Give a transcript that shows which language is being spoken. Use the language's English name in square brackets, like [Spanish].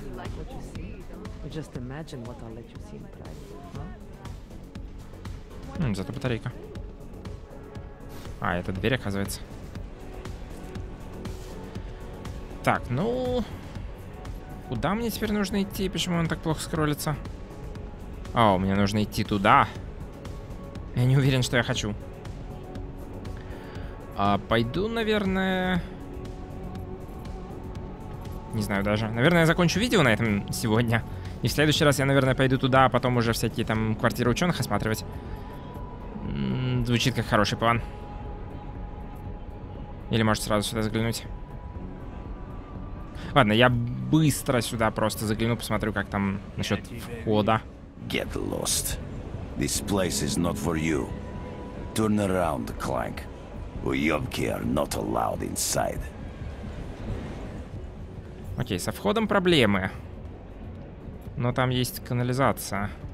[English] You like what you see, don't you? Just imagine what I'll let you see in private, huh? [Russian] Зато батарейка. А, это дверь, оказывается. Так, ну... Куда мне теперь нужно идти? Почему он так плохо скроллится? О, мне нужно идти туда. Я не уверен, что я хочу. А пойду, наверное... Не знаю даже. Наверное, я закончу видео на этом сегодня. И в следующий раз я, наверное, пойду туда, а потом уже всякие там квартиры ученых осматривать. Звучит как хороший план. Или может сразу сюда заглянуть. Ладно, я быстро сюда просто загляну, посмотрю, как там насчет входа. [English] Get lost. This place is not for you. Turn around, Clank. [Russian] Уёбки [English] are not allowed inside. [Russian] Окей, со входом проблемы. Но там есть канализация.